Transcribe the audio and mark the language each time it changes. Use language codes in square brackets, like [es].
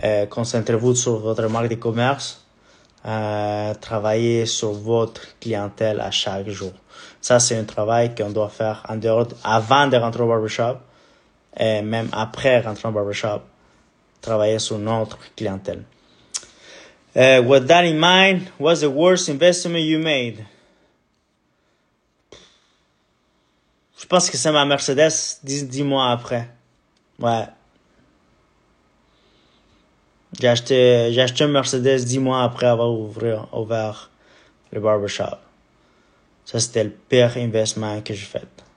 [fr] Concentrez-vous sur votre marque de commerce. Travaillez sur votre clientèle à chaque jour. Ça, c'est un travail qu'on doit faire en dehors, avant de rentrer au barbershop et même après rentrer au barbershop, travailler sur notre clientèle. [en] With that in mind, what's the worst investment you made? [fr] Je pense que c'est ma Mercedes 10 mois après. Ouais. J'ai acheté une Mercedes 10 mois après avoir ouvert le barbershop. Ça, c'était le pire investment que j'ai fait.